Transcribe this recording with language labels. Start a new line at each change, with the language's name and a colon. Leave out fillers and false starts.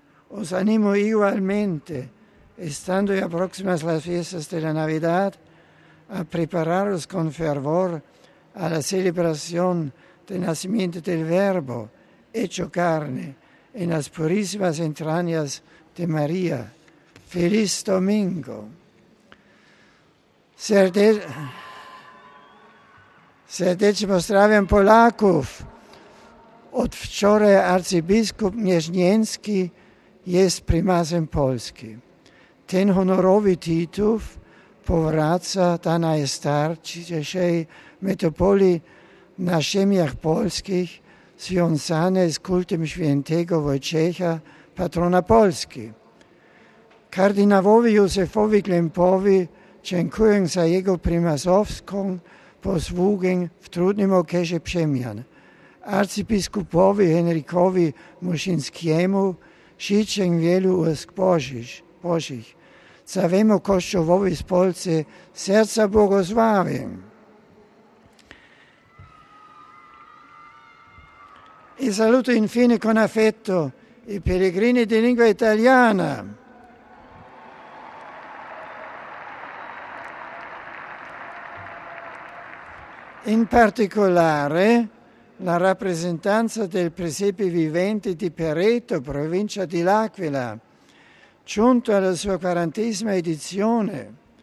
Spanish: Os animo igualmente, estando ya próximas las fiestas de la Navidad, a prepararos con fervor a la celebración del nacimiento del Verbo hecho carne en las purísimas entrañas de María. ¡Feliz domingo!
Polish: Serdecz pozdrawiam Polaków. Od wczoraj arcybiskup Nieżnieński jest prymasem Polski. Ten honorowy tytuł powraca do najstarszej metropolii na ziemiach polskich związane z kultem świętego Wojciecha, patrona Polski. Kardynałowi Józefowi Klempowi dziękuję za jego prymasowską posługę w trudnym okresie przemian. Arcybiskupowi Henrykowi Muszyńskiemu życzę wielu łask Bożych. Całemu Kościołowi z Polski serca błogosławię.
Italian: E saluto infine con affetto i pellegrini di lingua italiana. In particolare, la rappresentanza del presepe vivente di Pereto, provincia di L'Aquila, giunto alla sua 40ª edizione.